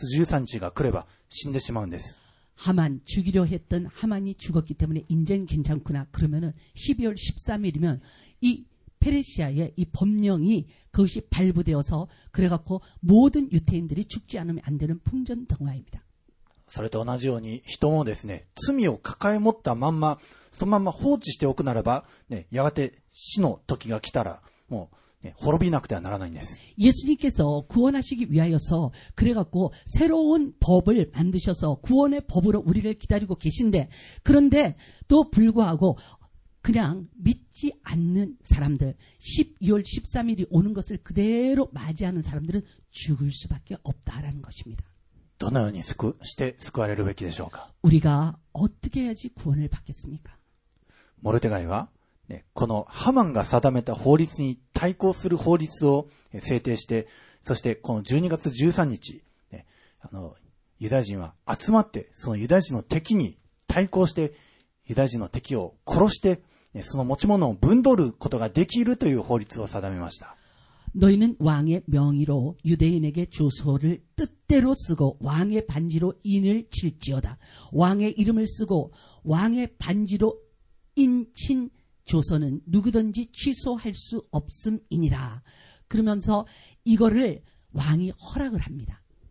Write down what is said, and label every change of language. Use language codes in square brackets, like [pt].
[ja] そのまま放置していればそのまま12月13日が来れば死んでしまうんです. [ko] 하만 죽이려 했던 하만이 죽었기 때문에 인제는 괜찮구나. 그러면은 12월 13일이면 이 페르시아의 이 법령이 그것이 발부되어서 그래갖고 모든 유태인들이 죽지 않으면 안 되는 풍전 등화입니다. [ja] それと同じように人もですね罪を抱え持ったまんまそのまま放置しておくならばねやがて死の時が来たら滅びなくてはならないんです. [ko] 예수님께서 구원하시기 위하여서 그래갖고 새로운 법을 만드셔서 구원의 법으로 우리를 기다리고 계신데 그런데 또 불구하고 그냥 믿지 않는 사람들 12월 13일이 오는 것을 그대로 맞이하는 사람들은 죽을 수밖에 없다라는 것입니다. [ja] どのようにして救われるべきでしょうか? [ko] 우리가 어떻게 해야지 구원을 받겠습니까? [ja] 모르드가이와 네, このハマンが定めた法律に対抗する法律を制定して、そしてこの12月13日、 네, ユダヤ人は集まってそのユダヤ人の敵に対抗してユダヤ人の敵を殺して、 네, その持ち物を分取ることができるという法律を定めました。 [ko] 너희는 왕의 명의로 유대인에게 조서를 뜻대로 쓰고 왕의 반지로 인을 칠지어다. 왕의 이름을 쓰고 왕의 반지로 인친 조서는 누구든지 취소할 수 없음이니라. 그러면서 이거를 왕이 허락을 합니다.